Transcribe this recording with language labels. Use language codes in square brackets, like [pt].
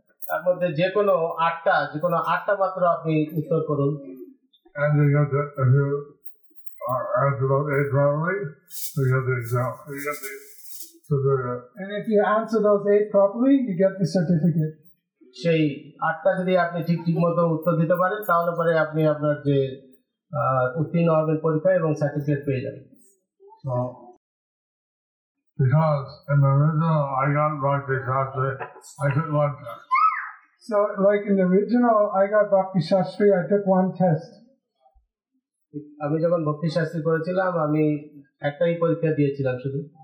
[bn] তার মধ্যে যে কোনো আটটা মাত্র আপনি উত্তর করুন. [en] And you got to answer those eight properly, you get the certificate. And if you answer those eight properly, you get the certificate. [bn] সেই আটটা যদি আপনি ঠিক মতো উত্তর দিতে পারেন তাহলে পরে আপনি আপনার যে উত্তীর্ণ হবেন পরীক্ষা এবং সার্টিফিকেট পেয়ে যাবেন। [en] Because in the original I got Bhakti Shastri, I took one test. So like in the original I got Bhakti Shastri, I took one test. [bn] আমি যখন ভক্তি শাস্ত্রী করেছিলাম আমি একটাই পরীক্ষা দিয়েছিলাম শুধু